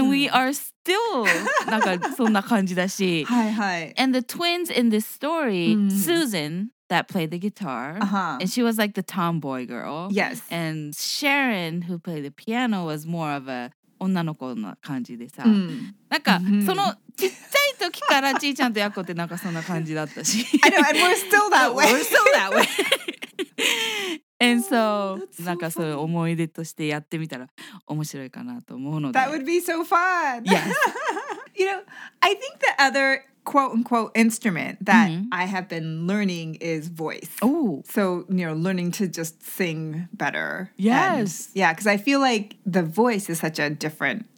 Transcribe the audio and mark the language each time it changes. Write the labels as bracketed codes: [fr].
[en] and we are still [ja] なんかそんな感じだし、はいはい、 [en] and the twins in this story、mm-hmm. Susan that played the guitar、 uh-huh. and she was like the tomboy girl. Yes, and Sharon who played the piano was more of a [ja] 女の子な感じでさ、 [en] mm-hmm. [ja] なんか、mm-hmm. そのちっちゃい時からちーちゃんとヤコってなんかそんな感じだったし。 [en] I know, and we're still that way. We're still that way. [ja] And so, so なんかそういう思い出としてやってみたら面白いかなと思うので。 [en] That would be so fun. Yes. You know, I think the other quote-unquote instrument that、mm-hmm. I have been learning is voice. Oh. So, you know, learning to just sing better. Yes. And, yeah, because I feel like the voice is such a different...